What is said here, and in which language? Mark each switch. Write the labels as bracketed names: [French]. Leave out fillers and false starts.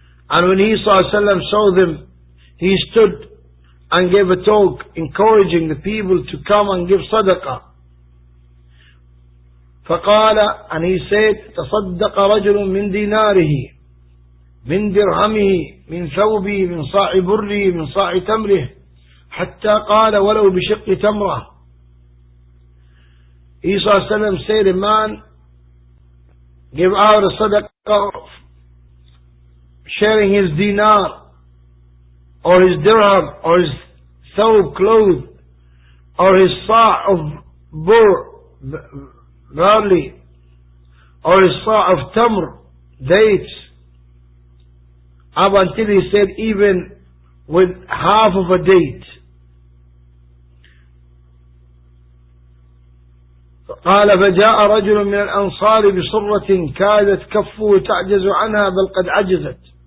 [English] And when he saw them, he stood and gave a talk encouraging the people to come and give sadaqah. [Arabic] فَقَالَ [English] And he said, [Arabic] تَصَدَّقَ رَجْلٌ مِنْ دِينَارِهِ مِنْ دِرْهَمِهِ مِنْ ثَوْبِهِ مِنْ صَاعِ بُرِّهِ مِنْ صَاعِ تَمْرِهِ حَتَّى قَالَ وَلَوْ بِشِقِّ تَمْرَهِ. [English] He saw Salam said, a man give out a sadaqah, sharing his dinar or his dirham or his thawb clothes or his sa' of bur barley or his sa' of tamr dates, up until he said even with half of a date. [Arabic] قال فجاء رجل من الأنصار بصرة كادت كفه تعجز عنها بل قد عجزت.